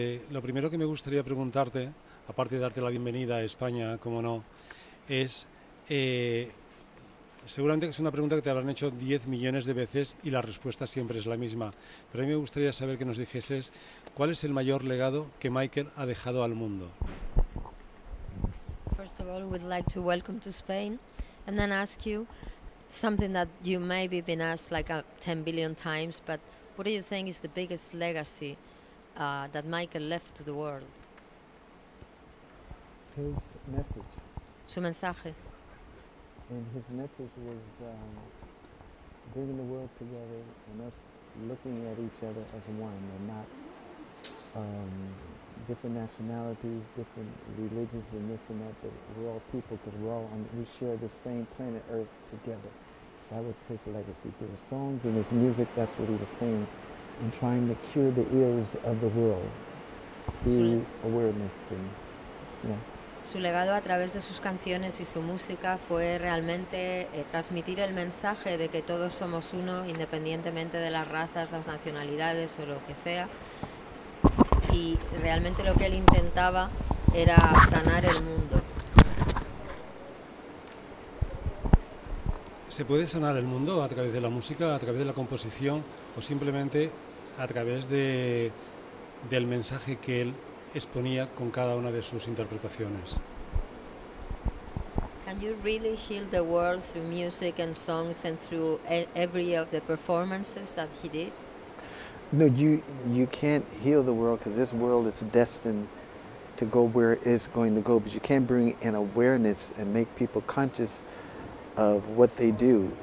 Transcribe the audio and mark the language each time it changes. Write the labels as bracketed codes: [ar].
[es] Lo primero que me gustaría preguntarte, aparte de darte la bienvenida a España, como no, es, seguramente es una pregunta que te habrán hecho 10 millones de veces y la respuesta siempre es la misma, pero a mí me gustaría saber que nos dijeses cuál es el mayor legado que Michael ha dejado al mundo. [en] First of all, we'd like to welcome to Spain and then ask you something that you maybe been asked like 10 billion times, but what do you think is the biggest legacy that Michael left to the world? His message. [es] Su mensaje. [en] And his message was bringing the world together and us looking at each other as one and not different nationalities, different religions and this and that, but we're all people because we're all on, we share the same planet Earth together. That was his legacy. Through his songs and his music, that's what he was saying, and trying to cure the ills of the world through awareness and, yeah. [es] Su legado a través de sus canciones y su música fue realmente transmitir el mensaje de que todos somos uno, independientemente de las razas, las nacionalidades o lo que sea. Y realmente lo que él intentaba era sanar el mundo. ¿Se puede sanar el mundo a través de la música, a través de la composición o simplemente a través del mensaje que él exponía con cada una de sus interpretaciones? [en] Can you really heal the world through music and songs and through every of the performances that he did? No, you can't heal the world because this world is destined to go where it's going to go, but you can bring an awareness and make people conscious of what they do.